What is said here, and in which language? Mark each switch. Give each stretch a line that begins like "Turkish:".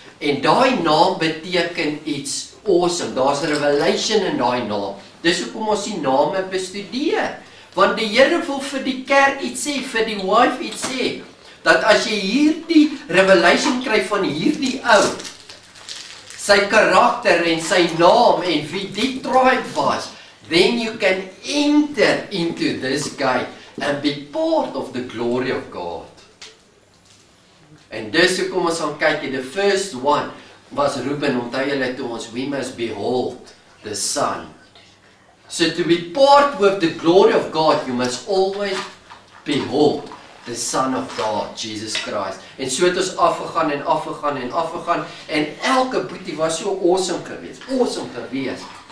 Afrikaans: En daai naam beteken iets awesome. Daar's 'n revelation in daai naam. Dis hoekom ons die name bestudeer. Want die Here wil vir die kerk iets sê, vir die wife iets sê. Dat as jy hierdie revelation kry van hierdie ou, sy karakter en sy naam en wie die tribe was,
English: then you can enter into this guy and be part of the glory of God.
Afrikaans: En dis hoekom ons gaan kyk,
English: the first one was Reuben,
Afrikaans: onthou julle toe ons,
English: we must behold the Son. So to be part with the glory of God, you must always behold the Son of God, Jesus Christ.
Afrikaans: En so het ons afgegaan en afgegaan en afgegaan, en elke boetie was so awesome geweest.